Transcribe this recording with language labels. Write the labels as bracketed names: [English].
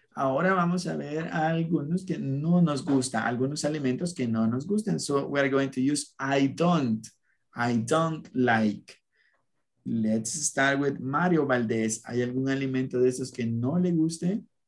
[Spanish] Ahora vamos a ver algunos que no nos gustan, algunos alimentos que no nos gustan. [English] So we're going to use I don't like. Let's start with Mario Valdez. [Spanish] ¿Hay algún alimento de esos que no le guste?